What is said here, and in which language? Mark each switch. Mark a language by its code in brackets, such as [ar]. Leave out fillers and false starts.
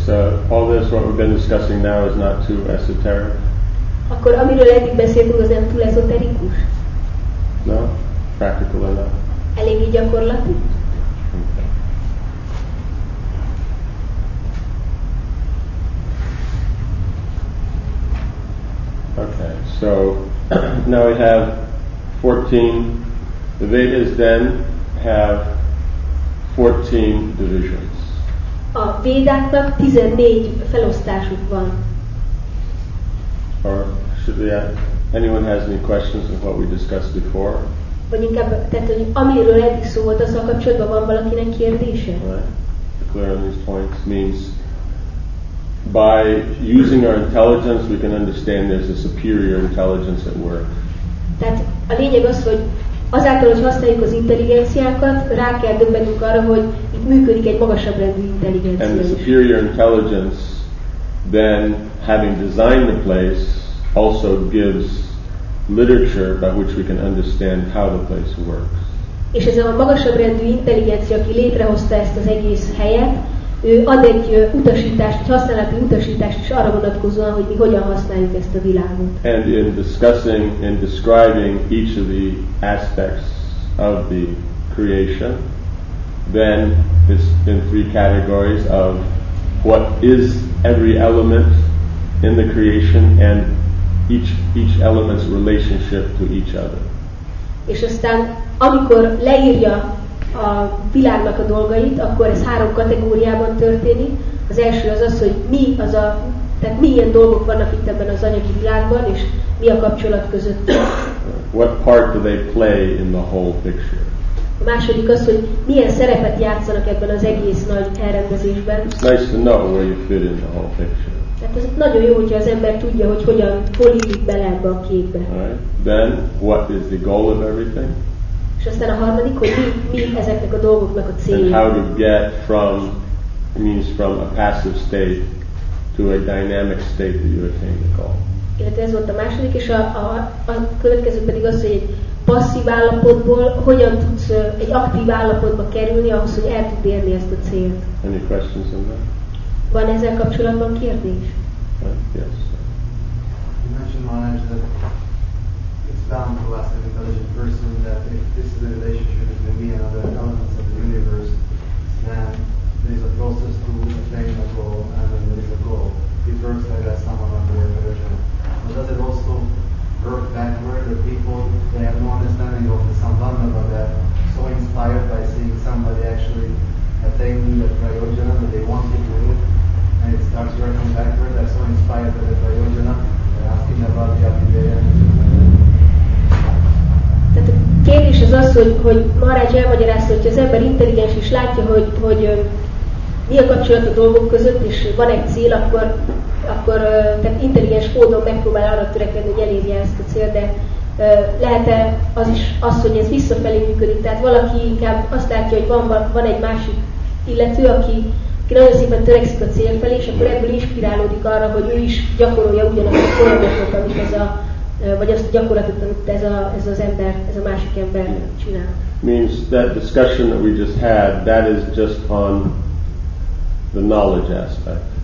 [en] So all this, what we've been discussing now, is not too esoteric. [hu] Akkor amiről eddig beszéltünk, az nem túl ezoterikus? [en] No, practical enough. [hu] Elég gyakorlati. [en] Okay, so now we have 14. The Vedas then have 14 divisions. [hu] A Védáknak 14 felosztásuk van. [en] Or should we ask, anyone has any questions of what we discussed before? [hu] Vagy inkább, tehát, hogy amiről eddig szó volt, azzal kapcsolatban van valakinek kérdése? [en] Right. To clear on these points means by using our intelligence, we can understand there's a superior intelligence at work. [hu] Tehát a lényeg az, hogy azáltal, hogy használjuk az intelligenciákat, rá kell döbbenünk arra, hogy itt működik egy magasabb rendű intelligencia. [en] And the superior intelligence, then having designed the place, also gives literature by which we can understand how the place works. [hu] És ez a magasabb rendű intelligencia, aki létrehozta ezt az egész helyet, ő ad egy utasítást, egy használati utasítást is arra vonatkozóan, hogy mi hogyan használjuk ezt a világot. [en] And in discussing and describing each of the aspects of the creation, then it's in three categories of what is every element in the creation and each element's relationship to each other. [hu] És aztán, amikor leírja a világnak a dolgait, akkor ez három kategóriában történik. Az első az az, hogy mi az a, tehát milyen dolgok vannak itt ebben az anyagi világban, és mi a kapcsolat között. [en] What part do they play in the whole picture? [hu] A második az, hogy milyen szerepet játszanak ebben az egész nagy elrendezésben. [en] Nice to know where you fit in the whole picture. [hu] Tehát ez nagyon jó, hogyha az ember tudja, hogy hogyan folyik bele ebbe a képbe. [en] Right. Then, what is the goal of everything? [hu] És aztán a harmadik, hogy mi ezeknek a dolgoknak a célja. [en] And how to get from, means from a passive state to a dynamic state that you attain the goal. [hu] Illetve ez volt a második, és a következő pedig az, hogy egy passzív állapotból hogyan tudsz egy aktív állapotba kerülni, ahhoz, hogy el tud érni ezt a célt. [en] Any questions on that? [hu] Van ezzel kapcsolatban kérdés? [en] Yes. You mentioned, Manaj, that bound to us as intelligent person that if this is the relationship between me and other elements of the universe, then there is a process to attain a goal, and then there is a goal. It works like that somehow on the religion. But does it also work that way that people, they have no understanding of the sambandha, but they're so inspired by seeing somebody actually attaining the prayojana that they want to do it, and it starts working backward, they're so inspired by the prayojana, they're asking about the abhideya. [hu] Tehát hogy Maharaj elmagyarázta, hogy az ember intelligens és látja, hogy mi a kapcsolat a dolgok között, és van egy cél, akkor tehát intelligens módon megpróbál arra törekedni, hogy elérje ezt a célt, de lehet-e az is az, hogy ez visszafelé működik, tehát valaki inkább azt látja, hogy van egy másik illető, aki nagyon szépen törekszik a cél felé, és akkor ebből inspirálódik arra, hogy ő is gyakorolja ugyanazt a folyamatot, amit azt a gyakorlatot, amit ez a másik ember csinál. [en] Means that discussion that we just had, that is just on the knowledge aspect.